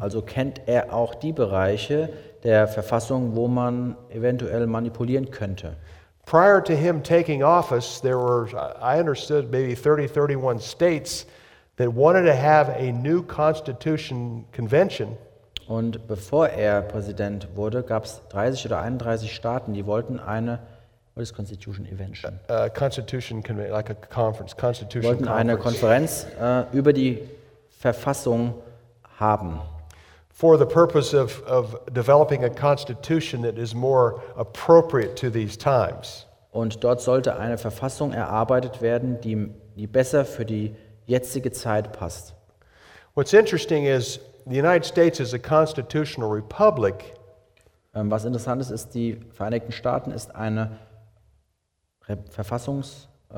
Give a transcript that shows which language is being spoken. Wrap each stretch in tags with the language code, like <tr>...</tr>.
<de>Also kennt er auch die Bereiche der Verfassung, wo man eventuell manipulieren könnte.</de> <en>Prior to him taking office, there were, I understood, maybe 30, 31 states that wanted to have a new constitution convention.</en> <de>Und bevor er Präsident wurde, gab es 30 oder 31 Staaten, die wollten eine,</de> <en>what is constitution convention? Constitution convention, like a conference. Constitution</en> <de>wollten</de> <en>conference.</en> <de>Eine Konferenz über die Verfassung haben.</de> <en>For the purpose of developing a constitution that is more appropriate to these times.</en> <de>Und dort sollte eine Verfassung erarbeitet werden, die besser für die jetzige Zeit passt.</de> <en>What's interesting is the United States is a constitutional republic.</en> <de>Was interessant ist, ist die Vereinigten Staaten ist eine Verfassungs</de>